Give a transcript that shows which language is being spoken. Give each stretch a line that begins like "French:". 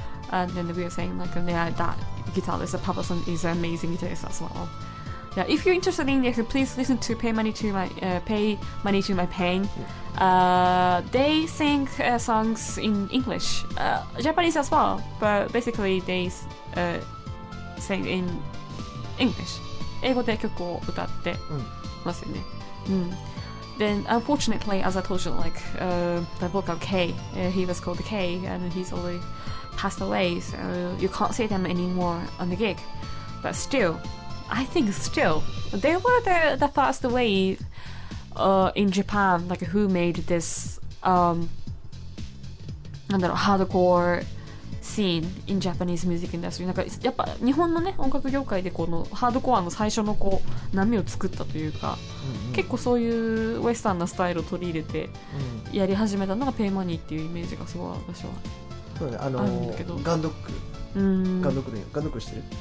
English: And then we were saying like, yeah, that guitarist, Pablo-san, is an amazing guitarist as well. Yeah, if you're interested in this, please listen to Pay Money to My Pain. They sing songs in English, Japanese as well, but basically they sing in English.
Japanese: 英語で曲を歌ってますよね。
English: Then unfortunately, as I told you, like the vocal K, he was called K, and he's already passed away, so you can't see them anymore on the gig. But still, I think still they were the first wave in Japan, like who made this I don't know, hardcore. Scene in Japanese music industry.
Japanese: なんかやっぱ日本のね音楽業界でこのハードコアの最初のこう波を作ったというか、うんうん、結構そういうウェスタンなスタイルを取り入れてやり始めたのがペイマニーっていうイメージがすごい私はそうだね、あるんだけど、ガンドック、ガンドックで、ガンドックしてる、